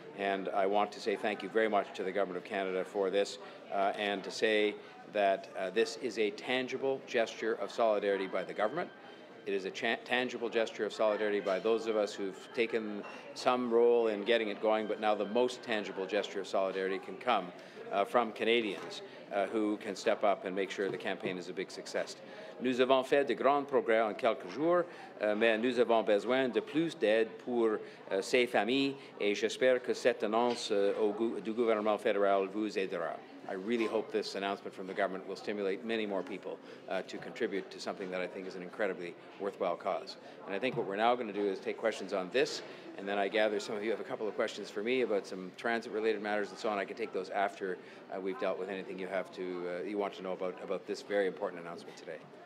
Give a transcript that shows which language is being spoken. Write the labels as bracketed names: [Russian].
[English] And I want to say thank you very much to the Government of Canada for this, and to say that this is a tangible gesture of solidarity by the government. It is a tangible gesture of solidarity by those of us who've taken some role in getting it going, but now the most tangible gesture of solidarity can come from Canadians who can step up and make sure the campaign is a big success. [French] Nous avons fait de grands progrès en quelques jours, mais nous avons besoin de plus d'aide pour ces familles, et j'espère que cette annonce du gouvernement fédéral vous aidera. [English] I really hope this announcement from the government will stimulate many more people to contribute to something that I think is an incredibly worthwhile cause. And I think what we're now going to do is take questions on this, and then I gather some of you have a couple of questions for me about some transit-related matters and so on. I can take those after we've dealt with anything you have to you want to know about this very important announcement today.